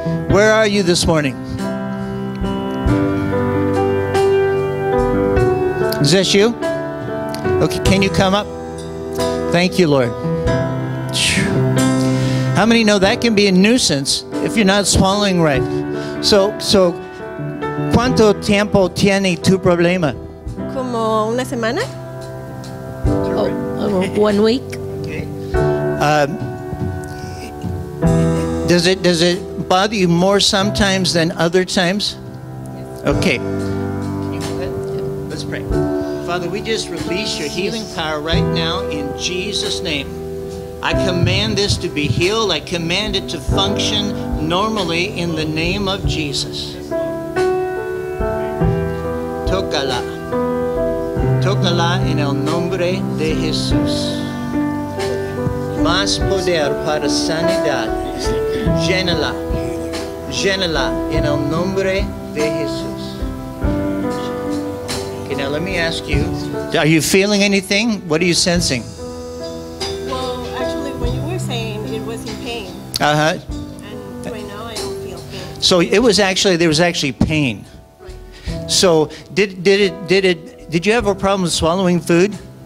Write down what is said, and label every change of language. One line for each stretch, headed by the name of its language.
English: Where are you this morning? Is this you? Okay, can you come up? Thank you, Lord. How many know that can be a nuisance if you're not swallowing right?
Spanish: So, ¿cuánto tiempo tiene tu problema? Como una semana.
English: Oh, 1 week. Does it bother you more sometimes than other times? Okay. Can you do that? Let's pray. Father, we just release your healing power right now in Jesus' name. I command this to be healed. I command it to function normally in the name of Jesus.
Spanish: Tócala. Tócala en el nombre de Jesús. Más poder para sanidad. Llénala. Llénala en el nombre de Jesús.
English: Now let me ask you, are you feeling anything? What are you sensing? Well, actually, when you were saying it was in pain. Uh-huh. And right now I don't feel pain. So it was actually, there was actually pain. Right. So did you have a problem swallowing food?